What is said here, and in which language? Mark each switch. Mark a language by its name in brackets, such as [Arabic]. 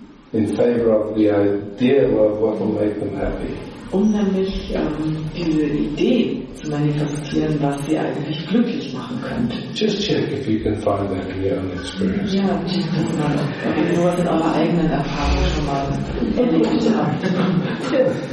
[English] In favor of the idea of what will make them happy. [German] Um nämlich diese Idee zu manifestieren, was sie eigentlich glücklich machen könnte. [English] Just check if you can find that in your own experience. [German] Ja, check das mal. Ob ihr nur in eurer eigenen Erfahrung schon mal erlebt habt.